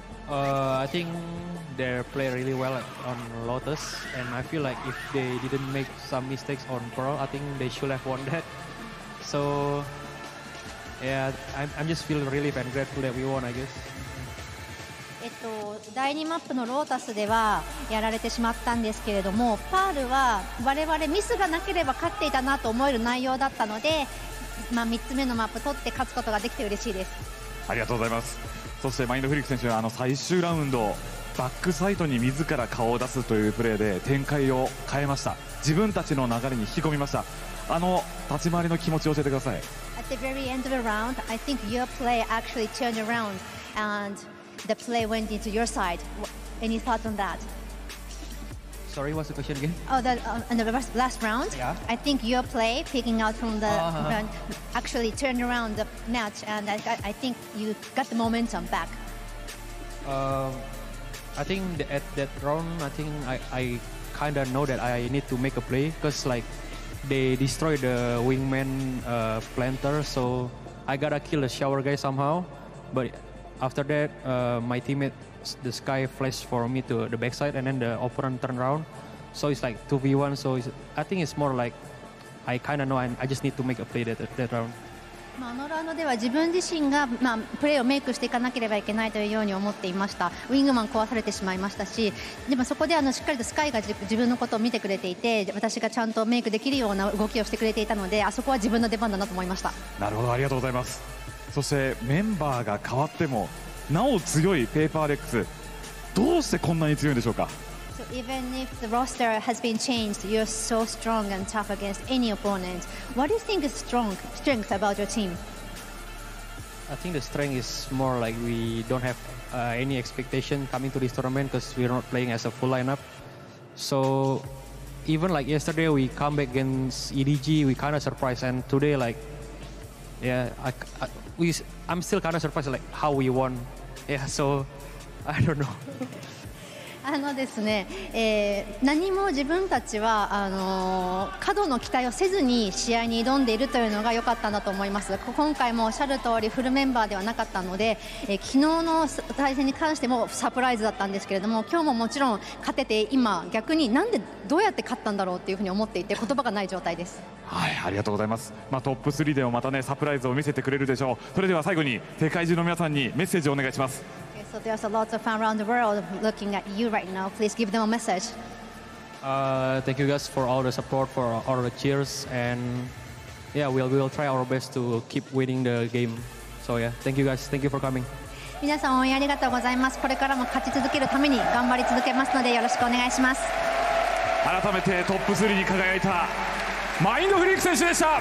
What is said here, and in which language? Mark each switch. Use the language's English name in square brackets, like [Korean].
[English] I think they play really well on Lotus, and I feel like if they didn't make some mistakes on Pearl, I think they should have won that. So yeah, I'm just feeling relieved and grateful that we won, I guess. [Japanese] 第2マップのロータスではやられてしまったんですけれども、パールは我々ミスがなければ勝っていたなと思える内容だったので、まあ、3つ目のマップ取って勝つことができて嬉しいです。ありがとうございます。そしてマインドフリック選手はあの最終ラウンドバックサイドに自ら顔を出すというプレーで展開を変えました。自分たちの流れに引き込みました。あの立ち回りの気持ちを教えてください。 [English] At the very end of the round, I think your play actually turned around andThe play went into your side. Any thoughts on that? Sorry, what's the question again? Oh, in the last round? Yeah. I think your play, picking out from the front, actually turned around the match, and I think you got the momentum back. I think at that round, I think I kind of know that I need to make a play, because like, they destroyed the wingman planter, so I gotta kill the shower guy somehow. But after that, my teammate, the sky flashed for me to the backside, and then the opponent turned around. So it's like 2v1, so I think it's more like, I kind of know I just need to make a play that round. [Japanese] あのラウンドでは自分自身が、まあ、プレーをメイクしていかなければいけないというように思っていました。ウィングマン壊されてしまいましたし、でもそこであのしっかりとスカイが自分のことを見てくれていて、私がちゃんとメイクできるような動きをしてくれていたので、あそこは自分の出番だなと思いました。なるほど、ありがとうございます。そしてメンバーが変わってもなお強いペーパーレックス、どうしてこんなに強いんでしょうか。 [English] So even if the roster has been changed, you're so strong and tough against any opponent. What do you think is strength about your team? I think the strength is more like we don't have any expectation coming to this tournament because we're not playing as a full lineup. So even like yesterday we come back against EDG, we kind of surprised, and today like I'm still kind of surprised like how we won. Yeah, so I don't know. [Japanese] あのですね、何も自分たちは過度の期待をせずに試合に挑んでいるというのが良かったんだと思います。今回もおっしゃる通りフルメンバーではなかったので、昨日の対戦に関してもサプライズだったんですけれども、今日ももちろん勝てて、今逆になんでどうやって勝ったんだろうというふうに思っていて言葉がない状態です。はい、ありがとうございます。まあ、トップ3でもまたねサプライズを見せてくれるでしょう。それでは最後に世界中の皆さんにメッセージをお願いします。 [English] So there's a lot of fans around the world looking at you right now. Please give them a message. Thank you guys for all the support, for all the cheers. And yeah, we'll try our best to keep winning the game. So yeah, thank you guys. Thank you for coming. [Japanese] 皆さん応援ありがとうございます。これからも勝ち続けるために頑張り続けますのでよろしくお願いします。改めてトップ3に輝いたマインドフリーク選手でした。